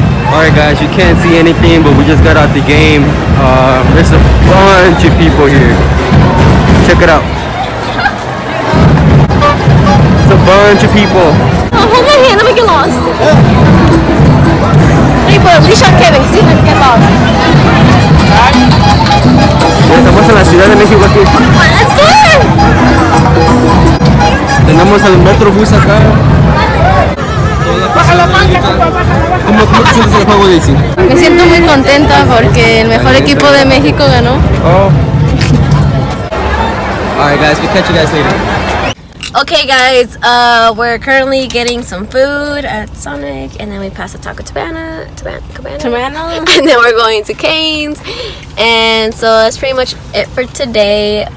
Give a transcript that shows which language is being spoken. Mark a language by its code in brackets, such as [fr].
[en] Alright guys, you can't see anything, but we just got out the game. There's a bunch of people here. Check it out. It's a bunch of people. Oh, hold my hand, let me get lost. Hey, but we shot Kevin, see him get lost. [es] Estamos en la ciudad de México aquí. Tenemos el Metrobús acá. Baja la mancha, baja, baja. ¿Cómo sientes el juego, Daisy? Me siento muy contenta porque el mejor equipo de México ganó. Oh. [en] Alright guys, we'll catch you guys later. Okay guys, we're currently getting some food at Sonic, and then we pass the Taco Cabana, and then we're going to Cane's, and so that's pretty much it for today.